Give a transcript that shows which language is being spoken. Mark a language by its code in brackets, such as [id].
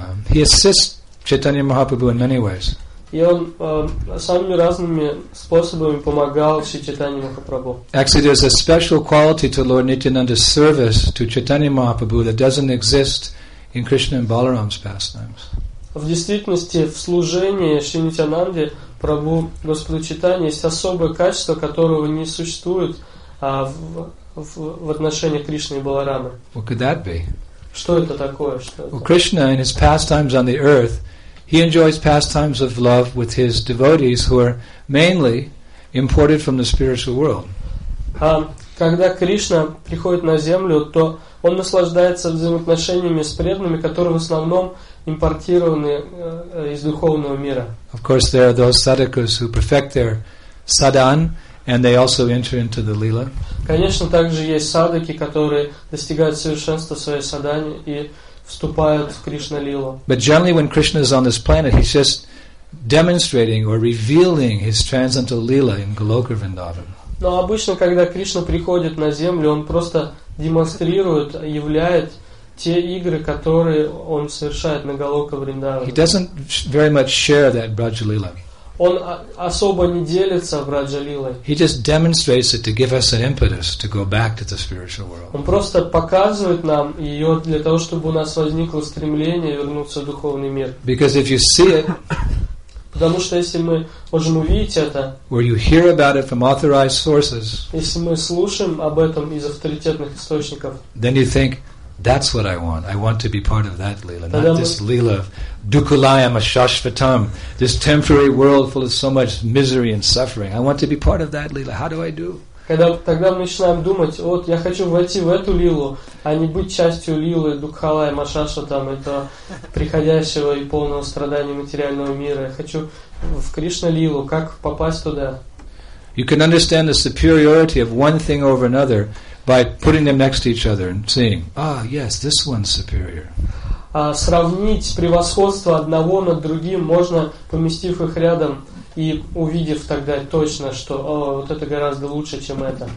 [en] He assists Chaitanya Mahaprabhu in many ways. [ru] И он самыми разными способами помогал Чайтанье Махапрабху. [en] Actually, there's a special quality to Lord Nityananda's service to Chaitanya Mahaprabhu that doesn't exist in Krishna and Balaram's pastimes. [ru] В действительности, в служении Шри Нитянанде Прабху Господу Чайтанье есть особое качество, которого не существует в отношении Кришны и Баларамы. [en] What could that be? [ru] Что это такое? [en] Well, Krishna in his pastimes on the earth, he enjoys pastimes of love with his devotees who are mainly imported from the spiritual world. [ru] Когда Кришна приходит на землю, то он наслаждается взаимоотношениями с преданными, которые в основном импортированы из духовного мира. [en] Of course, there are those sadhakas who perfect their sadhan, and they also enter into the lila. [ru] Конечно, также есть садаки, которые достигают совершенства своей садане и вступают в Кришна лилу. [en] But generally, when Krishna is on this planet, he's just demonstrating or revealing his transcendental lila in Goloka Vrindavan. [ru] Но обычно, когда Кришна приходит на землю, он просто демонстрирует, являет те игры, которые он совершает на Галока Вриндаване. [en] He doesn't very much share that Braja Lila. [ru] Он особо не делится Браджа Лилой. [en] He just demonstrates it to give us an impetus to go back to the spiritual world. [ru] Он просто показывает нам ее для того, чтобы у нас возникло стремление вернуться в духовный мир. [en] Because if you see it, [ru] потому что если мы можем увидеть это, [en] or you hear about it from authorized sources, [ru] если мы слушаем об этом из авторитетных источников, [en] then you think, that's what I want. I want to be part of that lila, not this lila of dukulayam ashashvatam, this temporary world full of so much misery and suffering. I want to be part of that lila. How do I do? [ru] Когда тогда мы начинаем думать, вот я хочу войти в эту лилу, а не быть частью лилы дукхалаем ашашватам, это приходящего и полного страдания материального мира. Я хочу в Кришна лилу. Как попасть туда? [en] You can understand the superiority of one thing over another by putting them next to each other and seeing, ah, yes, this one's superior. [ru] Сравнить превосходство одного над другим можно, поместив их рядом и увидев тогда точно, что вот это гораздо лучше, чем это.